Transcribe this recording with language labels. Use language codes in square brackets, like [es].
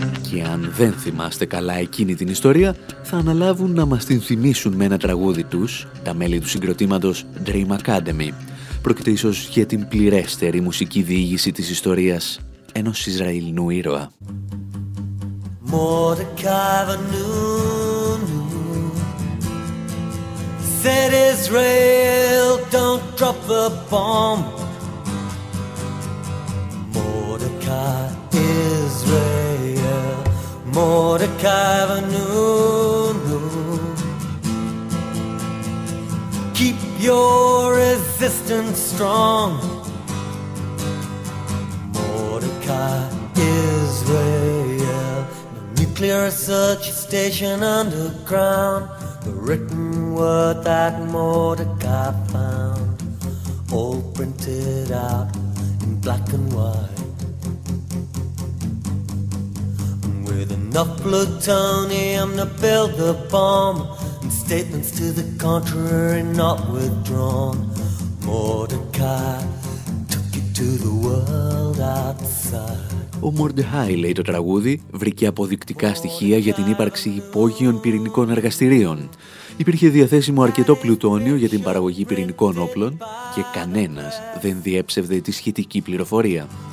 [el] Και αν δεν θυμάστε καλά εκείνη την ιστορία, θα αναλάβουν να μας την θυμίσουν με ένα τραγούδι τους, τα μέλη του συγκροτήματος Dream Academy. Πρόκειται ίσως για την πληρέστερη μουσική διήγηση της ιστορίας ενός Ισραηλινού ήρωα. [en] Mordecai Vanunu said, Israel, don't drop the bomb. Mordecai, Israel, Mordecai Vanunu, keep your resistance strong. Mordecai, Israel, clear a search station underground, the written word that Mordecai found, all printed out in black and white. And with enough plutonium to build the bomb, and statements to the contrary not withdrawn, Mordecai took it to the world outside. [el] Ο Μορντεχάι, λέει το τραγούδι, βρήκε αποδεικτικά στοιχεία για την ύπαρξη υπόγειων πυρηνικών εργαστηρίων. Υπήρχε διαθέσιμο αρκετό πλουτόνιο για την παραγωγή πυρηνικών όπλων και κανένας δεν διέψευδε τη σχετική πληροφορία.